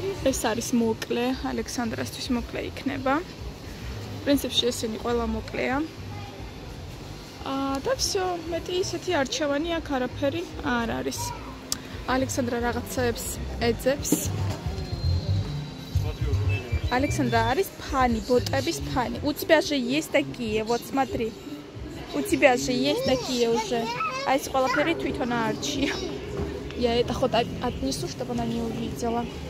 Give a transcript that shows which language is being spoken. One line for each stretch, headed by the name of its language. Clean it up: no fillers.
Georgian: ეს არის მოკლე, ალექსანდრასთვის მოკლე იქნება. პრინციპში ესენი ყველა მოკლეა. და всё, მეტი ისეთი არჩევანი აქ არაფერი არ არის. ალექსანდრა რაღაცებს ეძებს. ალექსანდრა არის ფანი, ბოტების ფანი.
Russian: У тебя же есть такие, вот смотри. У тебя же есть такие уже.
Georgian: Айс ყველაფერი თვითონ არჩია.
Russian: Я это вот отнесу, чтобы она не увидела.